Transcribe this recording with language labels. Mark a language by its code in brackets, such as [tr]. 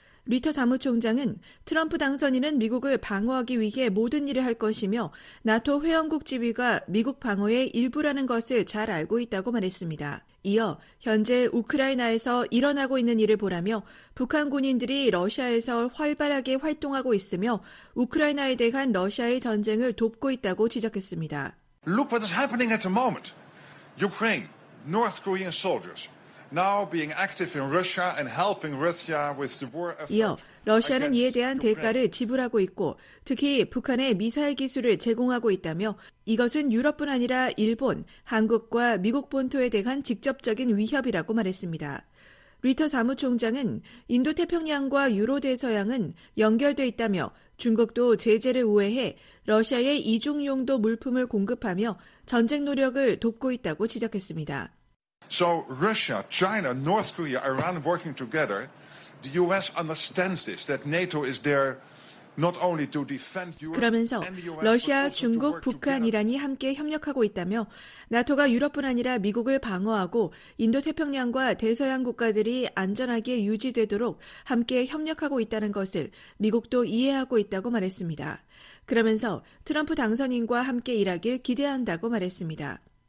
[ko] 리터 사무총장은 트럼프 당선인은 미국을 방어하기 위해 모든 일을 할 것이며 나토 회원국 지위가 미국 방어의 일부라는 것을 잘 알고 있다고 말했습니다. 이어 현재 우크라이나에서 일어나고 있는 일을 보라며 북한 군인들이 러시아에서 활발하게 활동하고 있으며 우크라이나에 대한 러시아의 전쟁을 돕고 있다고 지적했습니다. [en] Look what is happening at the moment. Ukraine, North Korean soldiers, now being active in Russia and helping Russia with the war effort. [ko] 이어 러시아는 이에 대한 대가를 지불하고 있고 특히 북한에 미사일 기술을 제공하고 있다며 이것은 유럽뿐 아니라 일본, 한국과 미국 본토에 대한 직접적인 위협이라고 말했습니다. 리터 사무총장은 인도태평양과 유로대서양은 연결돼 있다며 중국도 제재를 우회해 러시아의 이중용도 물품을 공급하며 전쟁 노력을 돕고 있다고 지적했습니다. [en] So Russia, China, North Korea, Iran working together. The US understands this, that NATO is there not only to defend Europe. [ko] 그러면서 러시아, 중국, 북한, 이란이 함께 협력하고 있다며 나토가 유럽뿐 아니라 미국을 방어하고 인도태평양과 대서양 국가들이 안전하게 유지되도록 함께 협력하고 있다는 것을 미국도 이해하고 있다고 말했습니다. 그러면서 트럼프 당선인과 함께 일하길 기대한다고 말했습니다.